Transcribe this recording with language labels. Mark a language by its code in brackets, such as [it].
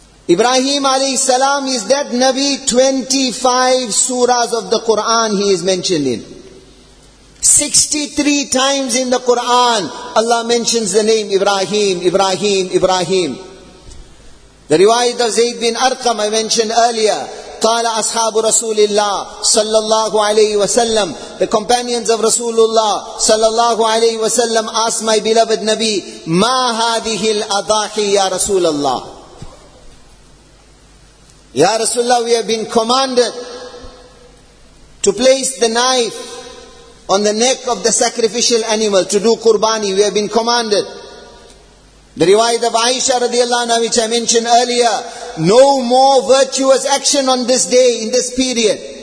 [en] Ibrahim alayhi salam is that Nabi, 25 surahs of the Quran he is mentioned in. 63 times in the Quran, Allah mentions the name Ibrahim, Ibrahim, Ibrahim. The riwayat of Zayd bin Arqam I mentioned earlier. [ar] قال أصحاب رسول الله صلى الله عليه وسلم. [en] The companions of Rasulullah صلى الله عليه وسلم asked my beloved Nabi, [ar] ما هذه الأضاحي يا رسول الله. [en] Ya Rasulullah, we have been commanded to place the knife on the neck of the sacrificial animal to do qurbani. We have been commanded. The riwayat of Aisha radiallahu anha, which I mentioned earlier, no more virtuous action on this day, in this period.